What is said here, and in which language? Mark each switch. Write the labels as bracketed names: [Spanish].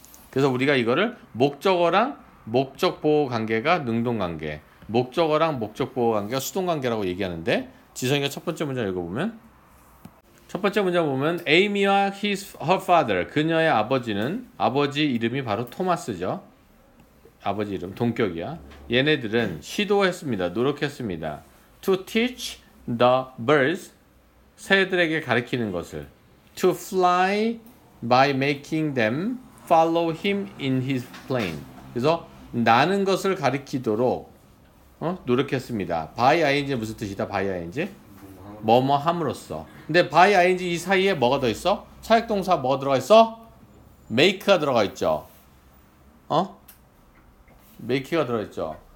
[Korean] 그래서 우리가 이거를 목적어랑 목적보호 관계가 능동관계, 목적어랑 목적보호 관계가 수동관계라고 얘기하는데, 지성이가 첫 번째 문장 읽어보면, 첫 번째 문장 보면 Amy와 his, her father, 그녀의 아버지는, 아버지 이름이 바로 토마스죠. 아버지 이름 동격이야. 얘네들은 시도했습니다. 노력했습니다. [English] To teach the birds, [Korean] 새들에게 가르치는 것을. [English] To fly by making them follow him in his plane. [Korean] 그래서 나는 것을 가르치도록 노력했습니다. By ing 무슨 뜻이다? By ing 뭐뭐 함으로써. 근데 by ing 이 사이에 뭐가 더 있어? 사역동사 뭐가 들어가 있어? make가 들어가 있죠. 어? make가 들어가 있죠.